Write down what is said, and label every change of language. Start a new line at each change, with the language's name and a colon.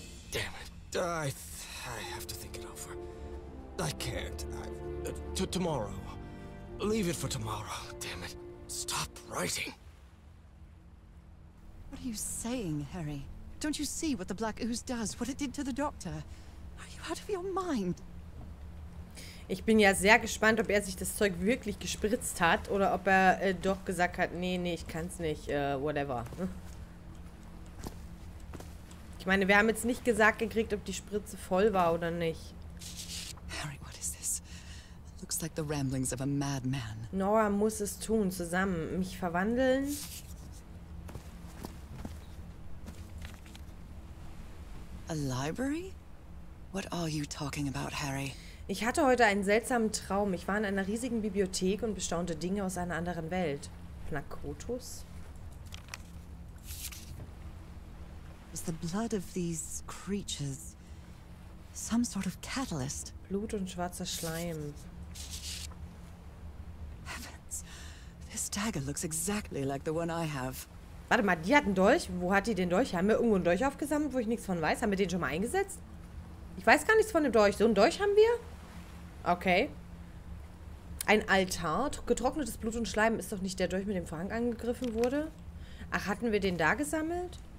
English: Damn it. I have to think it over. I can't. Tomorrow. Leave it for tomorrow. Damn it. Stop writing. What are you saying, Harry? Don't you see what the black ooze does? What it did to the doctor? Are you out of your mind?
German: Ich bin ja sehr gespannt, ob er sich das Zeug wirklich gespritzt hat oder ob er doch gesagt hat, nee, ich kann's nicht, whatever. Ich meine, wir haben jetzt nicht gesagt gekriegt, ob die Spritze voll war oder nicht.
English: Harry, what is this? Looks like the ramblings of a madman.
German: Nora muss es tun, zusammen mich verwandeln.
English: A library? What are you talking about, Harry?
German: Ich hatte heute einen seltsamen Traum. Ich war in einer riesigen Bibliothek und bestaunte Dinge aus einer anderen Welt.
English: Plakotus? Was the blood of these creatures some sort of catalyst?
German: Blut und schwarzer Schleim.
English: Heavens, this dagger looks exactly like the one I have.
German: Warte mal, die hat einen Dolch? Wo hat die den Dolch? Haben wir irgendwo einen Dolch aufgesammelt, wo ich nichts von weiß? Haben wir den schon mal eingesetzt? Ich weiß gar nichts von dem Dolch. So einen Dolch haben wir? Okay. Ein Altar. Getrocknetes Blut und Schleim ist doch nicht der Dolch, mit dem Frank angegriffen wurde. Ach, hatten wir den da gesammelt?